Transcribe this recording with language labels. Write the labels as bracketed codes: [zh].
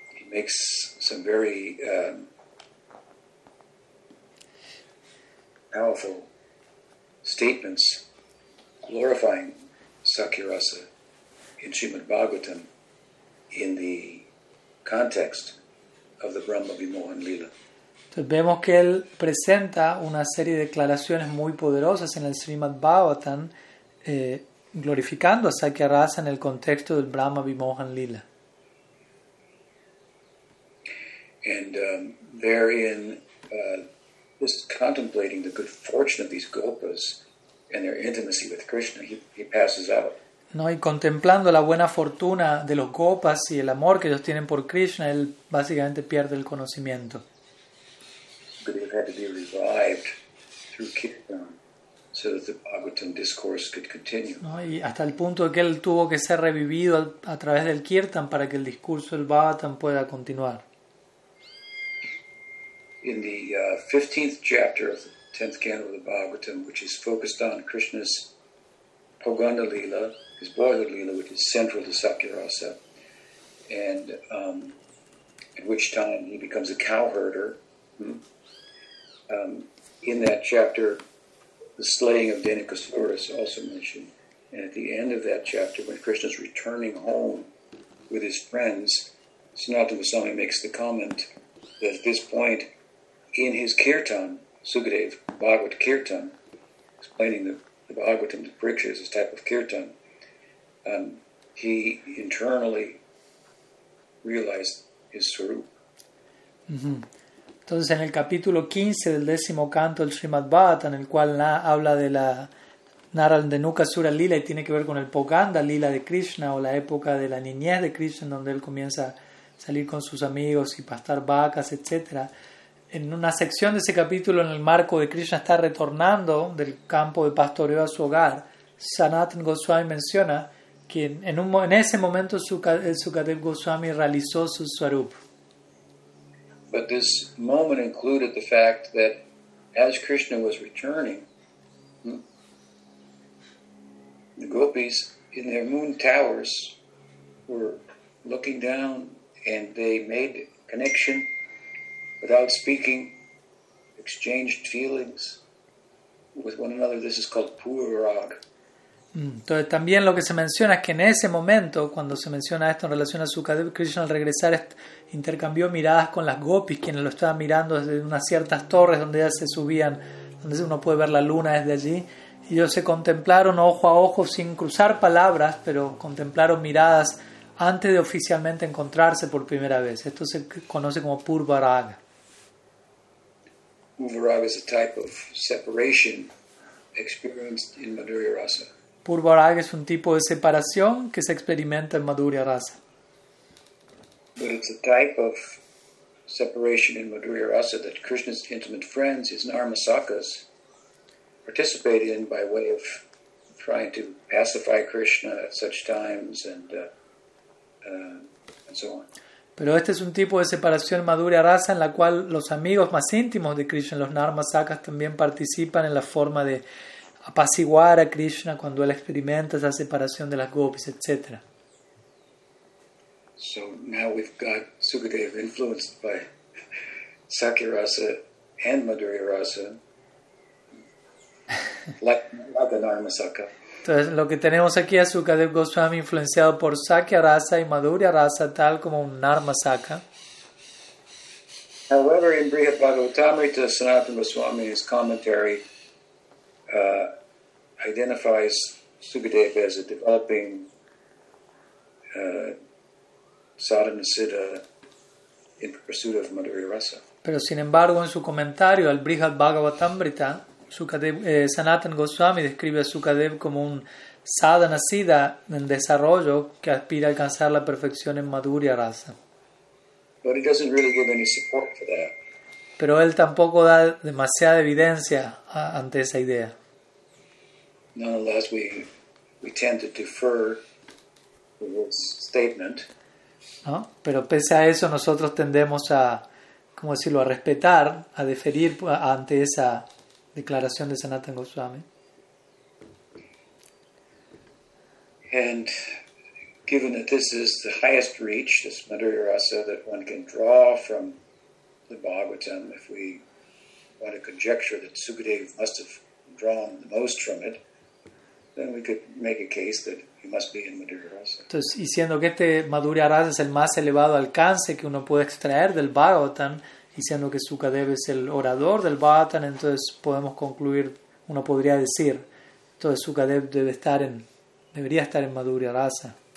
[en] makes some very powerful statements glorifying Sakyarasa in Srimad Bhagavatam in the context of the Brahma Vimohan Lila. [es] Entonces vemos que él presenta una serie de declaraciones muy poderosas en el Srimad Bhagavatam glorificando a Sakyarasa en el contexto del Brahma Vimohan Lila. [en] And therein this is contemplating the good fortune of these gopas and their intimacy with Krishna, he passes out. [es] No, y contemplando la buena fortuna de los gopas y el amor que ellos tienen por Krishna, él básicamente pierde el conocimiento. [en] But they had to be revived through kirtan so that the Bhagavatam discourse could continue. [es] No, y hasta el punto de que él tuvo que ser revivido a través del kirtan para que el discurso del Bhagavatam pueda continuar. [en] In the 15th chapter of the 10th canto of the Bhagavatam, which is focused on Krishna's Pogonda Lila, his boyhood Lila, which is central to Sakyarasa, and at which time he becomes a cowherder. In that chapter, the slaying of Dhenukasura is also mentioned. And at the end of that chapter, when Krishna's returning home with his friends, Sanatana Goswami makes the comment that at this point, in his kirtan, Sukadev Bhagavat kirtan, explaining the Bhagavatam, the Pariksha is this type of kirtan, he internally realized his sarup. Mm-hmm. [es] Entonces, en el capítulo 15 del décimo canto del Srimad Bhagavatam, en el cual habla de la Naraldenukasura Lila y tiene que ver con el Poganda Lila de Krishna o la época de la niñez de Krishna, donde él comienza a salir con sus amigos y pastar vacas, etc. En una sección de ese capítulo, en el marco de Krishna está retornando del campo de pastoreo a su hogar, Sanatana Goswami menciona que en ese momento Sukadev Goswami realizó su swarup. [en] But this moment included the fact that as Krishna was returning, the gopis in their moon towers were looking down and they made connection without speaking, exchanged feelings with one another. This is called Purag. [es] Entonces también lo que se menciona es que en ese momento, cuando se menciona esto en relación a Sukadev, Krishna al regresar intercambió miradas con las gopis, quienes lo estaban mirando desde unas ciertas torres donde ellas se subían, donde uno puede ver la luna desde allí, y ellos se contemplaron ojo a ojo sin cruzar palabras, pero contemplaron miradas antes de oficialmente encontrarse por primera vez. Esto se conoce como Purvaraga. [en] Purvaraga is a type of separation experienced in Madhurya Rasa. [es] Purvaraga es un tipo de separación que se experimenta en Madhurya Rasa. [en] But it's a type of separation in Madhurya Rasa that Krishna's intimate friends, his Narmasakas, participate in by way of trying to pacify Krishna at such times and so on. [es] Pero este es un tipo de separación Madhurya Rasa en la cual los amigos más íntimos de Krishna, los Narmasakas, también participan en la forma de apaciguar a Krishna cuando él experimenta esa separación de las gopis, etc. [en] So now we've got Sukadeva influenced by Sakyarasa and Madhurya Rasa, like the Narmasaka. [es] Entonces lo que tenemos aquí es Sukadeva Goswami influenciado por Sakyarasa y Madhurya Rasa, tal como un Narmasaka. [en] However, in Brihat Bhagavatamrita, Sanatana Goswami, his commentary identifies Sukadeva as a developing sadhana siddha in pursuit of Madhurya Rasa. [es] Pero sin embargo, en su comentario al Brihat Bhagavatamrita, Sanatana Goswami describe a Sukadev como un sadhana siddha en desarrollo que aspira a alcanzar la perfección en Madhurya Rasa. [en] But he doesn't really give any support for that. [es] Pero él tampoco da demasiada evidencia ante esa idea. [en] Nonetheless, we tend to defer to this statement. [es] No, pero pese a eso, nosotros tendemos a, ¿cómo decirlo?, a respetar, a deferir ante esa declaración de Sanatana Goswami. [en] And given that this is the highest reach, this Madhurya Rasa that one can draw from the Bhagavatam, if we want to conjecture that Sukadeva must have drawn the most from it, then we could make a case that he must be in Madhurya Rasa. [es] Entonces, y siendo que este Madhurya Rasa es el más elevado alcance que uno puede extraer del Bhagavatam, y siendo que Sukadeva es el orador del Bhagavatam, entonces podemos concluir, uno podría decir, entonces Sukadeva debe estar en, debería estar en Madhurya Rasa.